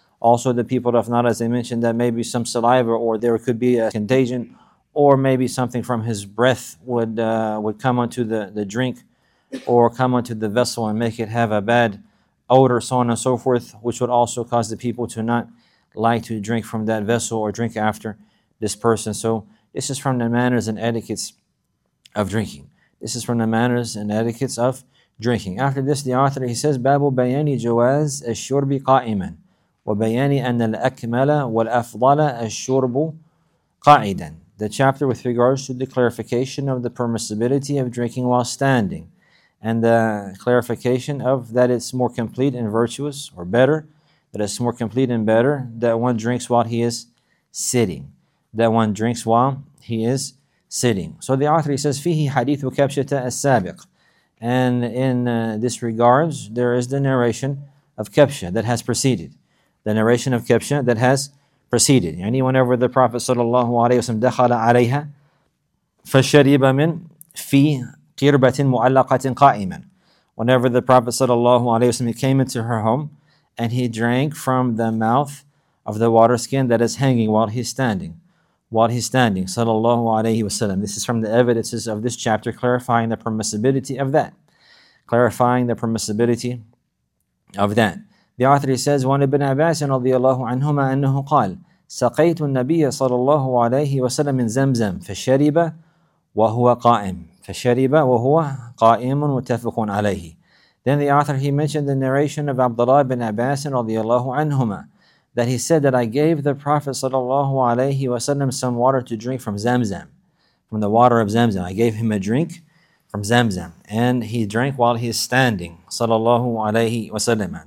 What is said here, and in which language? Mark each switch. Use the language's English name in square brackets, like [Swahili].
[English] Also the people of Nara, as they mentioned, that maybe some saliva or there could be a contagion or maybe something from his breath would come onto the drink or come onto the vessel and make it have a bad odor, so on and so forth, which would also cause the people to not like to drink from that vessel or drink after this person. So this is from the manners and etiquettes of drinking. This is from the manners and etiquettes of drinking. After this, the author, he says, [Arabic] بَابُ بَيَانِ جَوَازِ الشُّرْبِ قَائِمًا وَبَيَانِ أَنَّ الْأَكْمَلَ وَالْأَفْضَلَ الشُّرْبُ قَاعِدًا [English] the chapter with regards to the clarification of the permissibility of drinking while standing, and the clarification of that it's more complete and virtuous, or better, that it's more complete and better that one drinks while he is sitting. That one drinks while he is sitting. So the author, he says, [Arabic] فِيهِ حَدِيثُ كَبْشَةَ السَّابِقُ. [English] And in this regards, there is the narration of Kabsha that has preceded. The narration of Kabsha that has preceded. [Arabic] يعني [English] whenever the Prophet [Arabic] sallallahu alayhi wa sallam دَخَلَ عَلَيْهَا فَشَرِبَ مِنْ فِي قِرْبَةٍ مُعَلَّقَةٍ قَائِمًا. [English] Whenever the Prophet sallallahu alayhi wa sallam came into her home and he drank from the mouth of the water skin that is hanging while he's standing. While he's standing, sallallahu alayhi wa sallam. This is from the evidences of this chapter, clarifying the permissibility of that. Clarifying the permissibility of that. The author, he says, [Arabic] وَعَنْ إِبْنَ عَبَاسٍ رَضِيَ اللَّهُ عَنْهُمَا أَنَّهُ قَالَ سَقَيْتُ النَّبِيَّ sallallahu alayhi wa sallam مِنْ زَمْزَمْ فَشَرِبَ وَهُوَ قَائِمٌ فَشَرِبَ وَهُوَ قَائِمٌ مُتَّفِقٌ عَلَيْهِ. [English] Then the author, he mentioned the narration of Abdullah ibn Abbas [Arabic] رضي الله عنهما, [English] that he said that I gave the Prophet sallallahu alayhi wa sallam some water to drink from Zamzam, from the water of Zamzam. I gave him a drink from Zamzam, and he drank while he is standing, sallallahu alayhi wa sallam.